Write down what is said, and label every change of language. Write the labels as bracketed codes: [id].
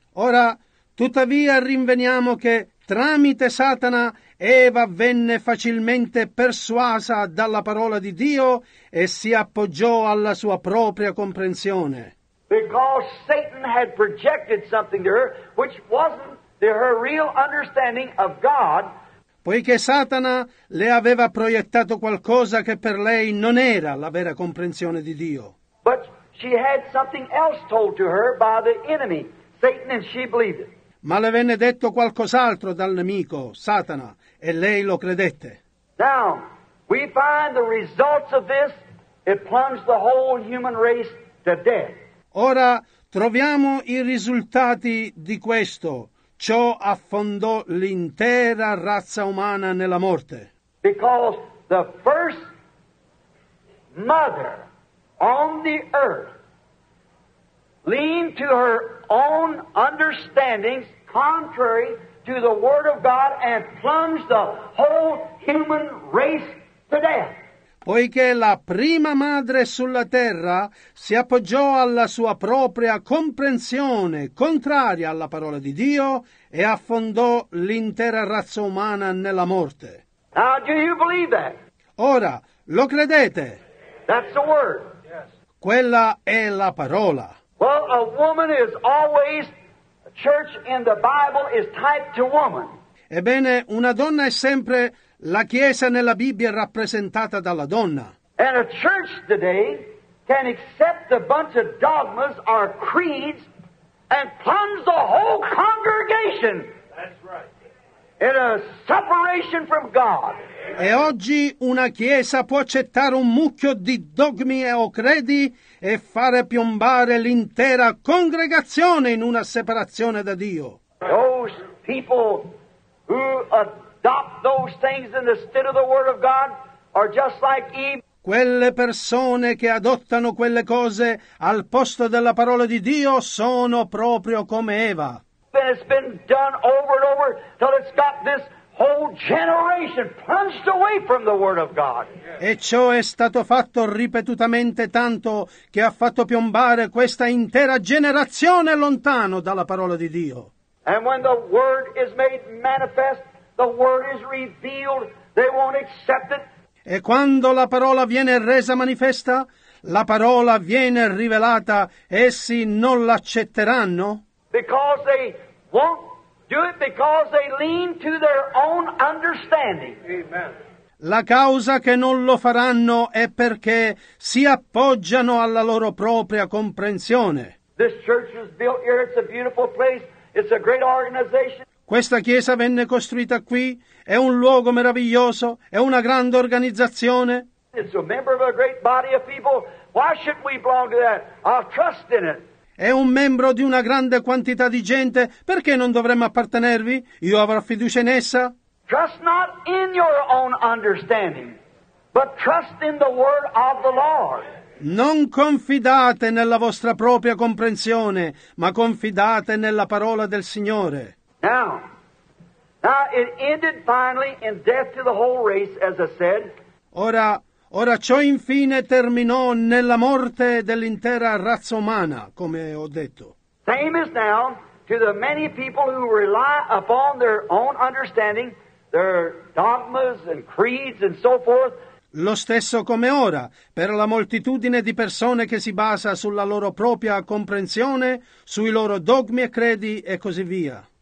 [it] Ora, tuttavia, rinveniamo che tramite Satana Eva venne facilmente persuasa dalla parola di Dio e si appoggiò alla sua propria comprensione. [en] Because Satan had projected something to her which wasn't her real understanding of God. [it] Poiché Satana le aveva proiettato qualcosa che per lei non era la vera comprensione di Dio. [en] But she had something else told to her by the enemy, Satan, and she believed it. [it] Ma le venne detto qualcos'altro dal nemico, Satana, e lei lo credette. [en] Now, we find the results of this, it plunged the whole human race to death. [it] Ora troviamo i risultati di questo. Ciò affondò l'intera razza umana nella morte. [en] Because the first mother on the earth leaned to her own understandings contrary to the word of God and plunged the whole human race to death. [it] Poiché la prima madre sulla terra si appoggiò alla sua propria comprensione contraria alla parola di Dio e affondò l'intera razza umana nella morte. [en] Now, do you believe that? [it] Ora, lo credete? [en] That's the word. Yes. [it] Quella è la parola. [en] Well, a woman is always, church in the Bible is typed to woman. [it] Ebbene, una donna è sempre la Chiesa nella Bibbia rappresentata dalla donna. [en] And a church today can accept a bunch of dogmas or creeds and plunge the whole congregation. That's right. In a separation from God. [it] E oggi una chiesa può accettare un mucchio di dogmi o credi e fare piombare l'intera congregazione in una separazione da Dio. [en] Those people who adopt those things instead of the word of God are just like Eve. [it] Quelle persone che adottano quelle cose al posto della parola di Dio sono proprio come Eva. [en] And it's been done over and over till it's got this whole generation plunged away from the word of God. [it] E ciò è stato fatto ripetutamente tanto che ha fatto piombare questa intera generazione lontano dalla parola di Dio. [en] And when the word is made manifest, the word is revealed, they won't accept it. [it] E quando la parola viene resa manifesta, la parola viene rivelata, essi non l'accetteranno? [en] Because they won't do it because they lean to their own understanding. Amen. [it] La causa che non lo faranno è perché si appoggiano alla loro propria comprensione. [en] This church was built here. It's a beautiful place. It's a great organization. [it] Questa chiesa venne costruita qui. È un luogo meraviglioso. È una grande organizzazione. [en] It's a member of a great body of people. Why should we belong to that? I'll trust in it. [it] È un membro di una grande quantità di gente, perché non dovremmo appartenervi? Io avrò fiducia in essa. [en] Trust not in your own understanding, but trust in the word of the Lord. [it] Non confidate nella vostra propria comprensione, ma confidate nella parola del Signore. [en] Now it ended finally in death to the whole race, as I said. [it] Ora, Ora ciò infine terminò nella morte dell'intera razza umana, come ho detto. [en] Same as now to the many people who rely upon their own understanding, their dogmas and creeds and so forth. [it] Lo stesso come ora, per la moltitudine di persone che si basa sulla loro propria comprensione, sui loro dogmi e credi e così via.